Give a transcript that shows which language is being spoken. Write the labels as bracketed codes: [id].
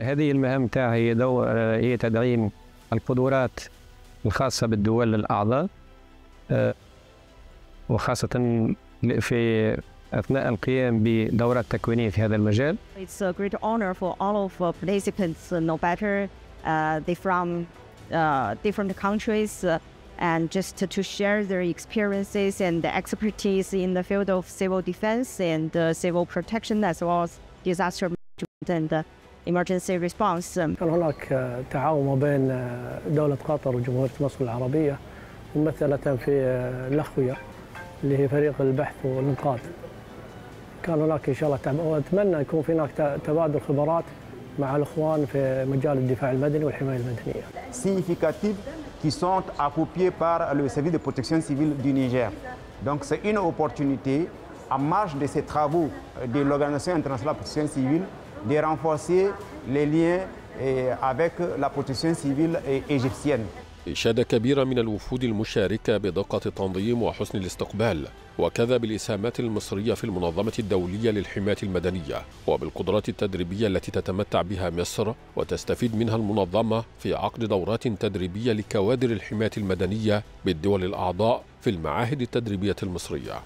[ar] هذه المهام تاعي هي تدعيم القدرات الخاصة بالدول الأعضاء وخاصة في أثناء القيام بدورة تكوينية في هذا المجال. [en] It's a great honor for all of the participants, no matter they from different countries. And just to share their experiences and the expertise in the field of civil defense and civil protection as well as disaster management and emergency response. [ar] كان هناك تعاون بين دولة قطر وجمهورية مصر العربية ممثلة في الأخوية اللي هي فريق البحث والإنقاذ. كان هناك إن شاء الله أتمنى يكون في هناك تبادل خبرات مع الإخوان في مجال الدفاع المدني والحماية المدنية. [fr] qui sont accompagnés par le service de protection civile du Niger. Donc c'est une opportunité, en marge de ces travaux de l'Organisation internationale de la protection civile, de renforcer les liens avec la protection civile égyptienne. [ar] إشادة كبيرة من الوفود المشاركة بدقة التنظيم وحسن الاستقبال وكذا بالإسهامات المصرية في المنظمة الدولية للحماية المدنية وبالقدرات التدريبية التي تتمتع بها مصر وتستفيد منها المنظمة في عقد دورات تدريبية لكوادر الحماية المدنية بالدول الأعضاء في المعاهد التدريبية المصرية.